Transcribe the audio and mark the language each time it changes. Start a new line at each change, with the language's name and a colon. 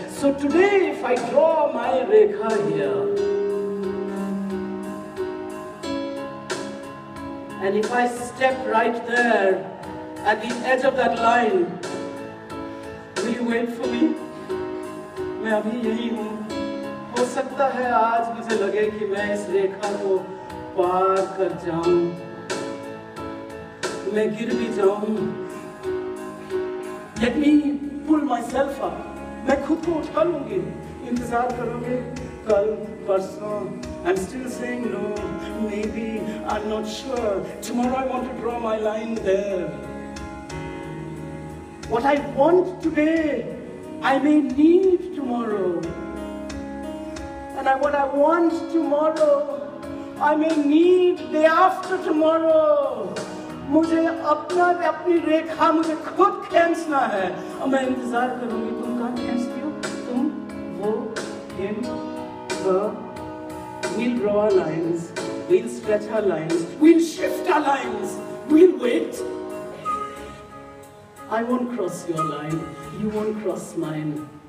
English: So today, if I draw my rekha here, and if I step right there, at the edge of that line, will you wait for me?
Hindi: Main abhi yahi hoon. Ho हो सकता है आज मुझे लगे कि मैं इस रेखा को पार कर जाऊं, मैं गिर भी जाऊं,
English: let me pull myself up,
Hindi: मैं खुद को उठा लूंगी, इंतजार करोगे कल परसों,
English: I'm still saying no, maybe I'm not sure, tomorrow I want to draw my line there. What I want today, I may need tomorrow. And what I want tomorrow, I may need day after tomorrow.
Hindi: मुझे अपना अपनी रेखा मुझे खुद खींचना है और मैं इंतजार करूंगी. तुम कहाँ खींचती हो? तुम वो
English: him her. We'll draw our lines. We'll stretch our lines. We'll shift our lines. We'll wait. I won't cross your line. You won't cross mine.